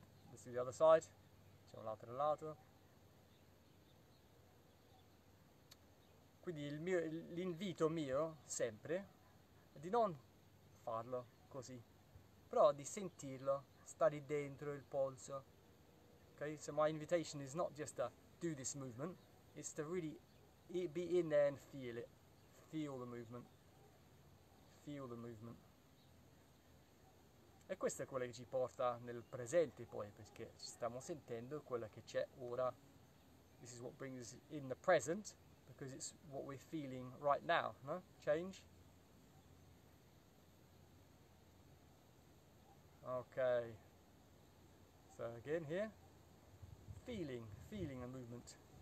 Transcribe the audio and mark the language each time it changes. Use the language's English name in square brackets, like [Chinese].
[English] Let's do the other side. [Italian] Facciamo l'altro lato. Quindi l'invito mio sempre è di non farlo così, però di sentirlo, stare dentro il polso. [English] Okay, so my invitation is not just to do this movement, it's to really be in there and feel it. Feel the movement. Feel the movement. [Italian] E questo è quello che ci porta nel presente poi, perché ci stiamo sentendo quello che c'è ora. [English] This is what brings us in the present, because it's what we're feeling right now, no? Change. Okay. So again here. Feeling the movement.